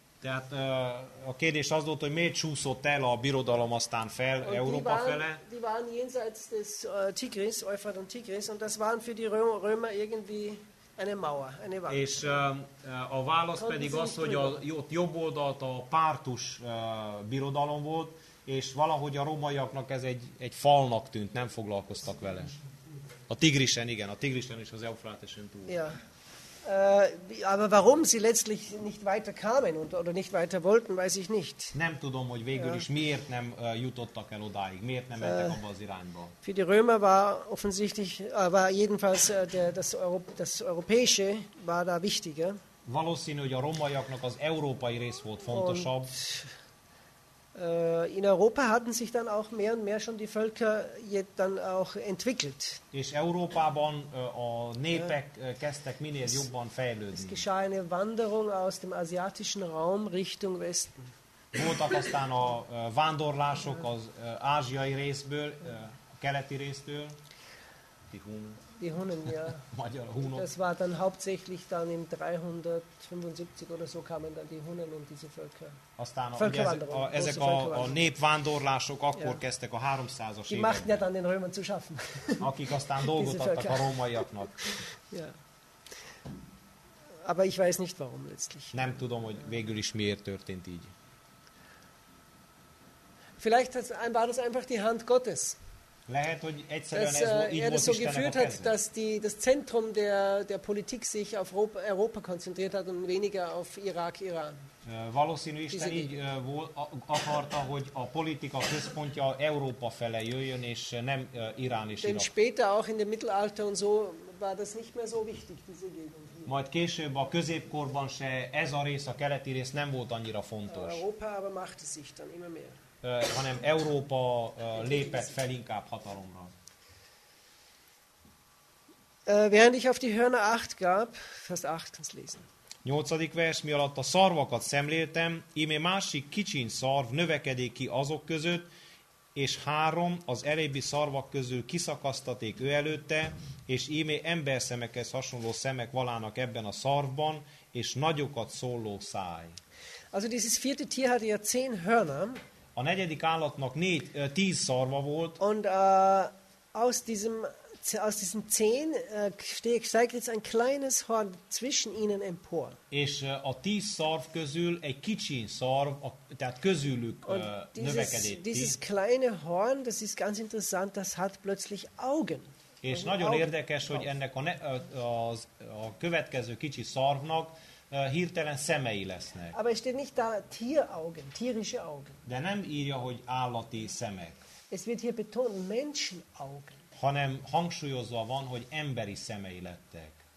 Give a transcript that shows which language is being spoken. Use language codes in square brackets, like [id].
[hu] Tehát a kérdés az volt, hogy miért csúszott el a birodalom aztán fel [de] und [hu] Európa fele. [de] Die waren jenseits des Tigris, Euphrat und Tigris, und das waren für die Römer irgendwie... Eine Mauer, eine Wand. [hu] És a válasz pedig az, hogy ott jobb oldalt a Pártus birodalom volt, és valahogy a rómaiaknak ez egy falnak tűnt, nem foglalkoztak vele. A Tigrisen, igen, a Tigrisen és az Eufratesen túl. [de] Ja. Aber warum sie letztlich nicht weiter kamen oder nicht weiter wollten, weiß ich nicht. [hu] Nem tudom, hogy végül is miért nem jutottak el odáig, miért nem mentek abba az irányba. [de] Für die Römer war offensichtlich, war jedenfalls das Europäische war da wichtiger. [hu] Valószínű, hogy a rómaiaknak az európai rész volt fontosabb. [de] Und, in Europa hatten sich dann auch mehr und mehr schon die Völker dann auch entwickelt. [hu] És Európában a népek kezdtek minél jobban fejlődni. [de] Es geschah eine Wanderung aus dem asiatischen Raum Richtung Westen. [hu] Voltak aztán a vándorlások az ázsiai részből, a keleti résztől. [de] Die Hunnen, ja. [hu] Magyar Hunok. [de] Das war dann hauptsächlich dann im 375 oder so kamen dann die Hunnen und diese Völker. [hu] Aztán ezek a népvándorlások akkor kezdtek a 300-as években. [de] Die machten ja dann den Römern zu schaffen. [hu] Akik aztán dolgot adtak a rómaiaknak. [de] Ja. Aber ich weiß nicht warum letztlich. [hu] Nem tudom, hogy végül is miért történt így. [de] Vielleicht war das einfach die Hand Gottes. [hu] Lehet, hogy egyszerűen [de] dass, [hu] ez volt, így er volt [de] so geführt hat, dass die, das Zentrum der Politik sich auf Europa konzentriert hat und weniger auf Irak, Iran. [hu] Valószínű, Isten így akarta, hogy a politika központja Európa fele jöjjön, és nem Irán és Irak. [de] Später auch in dem Mittelalter und so war das nicht mehr so wichtig, diese Gegend. [hu] Majd később a középkorban se ez a rész, a keleti rész nem volt annyira fontos. [de] Europa aber machte sich dann immer mehr. [hu] Hanem Európa lépett fel inkább hatalomra. [de] Während ich auf die Hörner acht gab, fast acht kannst lesen. [hu] 8. vers, mi alatt a szarvakat szemléltem, íme másik kicsiny szarv növekedik ki azok között, és három az elébbi szarvak közül kiszakasztaték ő előtte, és íme emberszemekhez hasonló szemek valának ebben a szarvban, és nagyokat szóló száj. [de] Also dieses vierte Tier hatte ja 10 Hörner. [hu] A negyedik állatnak 10 szarva volt. [de] Und aus diesen 10 steigt jetzt ein kleines Horn zwischen ihnen empor. [hu] És a 10 szarv közül egy kicsi szarv, tehát közülük növekedett. [de] Dieses kleine Horn, das ist ganz interessant, das hat plötzlich Augen. [hu] És nagyon érdekes, hogy ennek a következő kicsi szarvnak hirtelen szemei lesznek. [de] Aber steht nicht da Tieraugen, tierische Augen. [hu] De nem írja, hogy állati szemek. [de] Es wird hier betont Menschenaugen. [hu] Hanem hangsúlyozva van, hogy emberi szemei lettek.